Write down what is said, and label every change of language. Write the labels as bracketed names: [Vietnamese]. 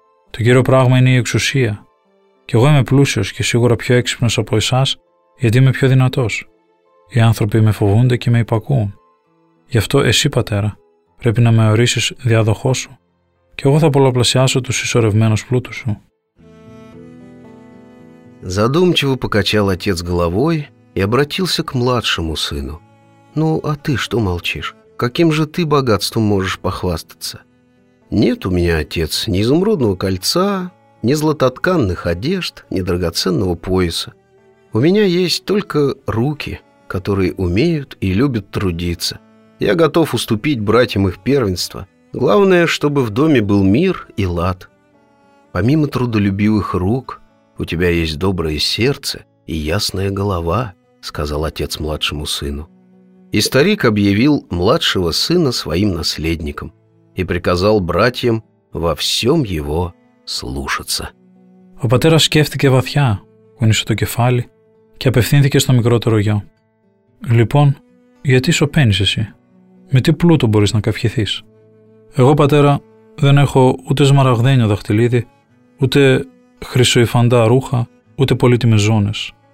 [Greek] «Το κύριο πράγμα είναι η εξουσία. Κι εγώ είμαι πλούσιος και σίγουρα πιο έξυπνος από εσάς, γιατί είμαι πιο δυνατός. Οι άνθρωποι με φοβούνται και με υπακούουν. Γι' αυτό εσύ, πατέρα, πρέπει να με ορίσεις διάδοχό σου και εγώ θα πολλαπλασιάσω τους συσσωρευμένους πλούτους σου». [Russian] Задумчиво покачал отец головой и обратился к младшему сыну. «Ну, а ты что молчишь? Каким же ты богатством можешь похвастаться?» «Нет у меня, отец, ни изумрудного кольца, ни златотканных одежд, ни драгоценного пояса. У меня есть только руки, которые умеют и любят трудиться. Я готов уступить братьям их первенство. Главное, чтобы в доме был мир и лад. Помимо трудолюбивых рук, у тебя есть доброе сердце и ясная голова», — сказал отец младшему сыну. И старик объявил младшего сына своим наследником и приказал братьям во всем его слушаться. [Greek] Ο πατέρας σκέφτηκε βαθιά, κουνήσε το κεφάλι και απευθύνθηκε στο μικρότερο γιο. «Λοιπόν, γιατί σωπαίνεις εσύ? Με τι πλούτο μπορείς να καυχηθείς? Εγώ, πατέρα, δεν έχω ούτε σμαραγδένιο δαχτυλίδι, ούτε χρυσοϊφαντά ρούχα, ούτε πολύτιμες ζώνες.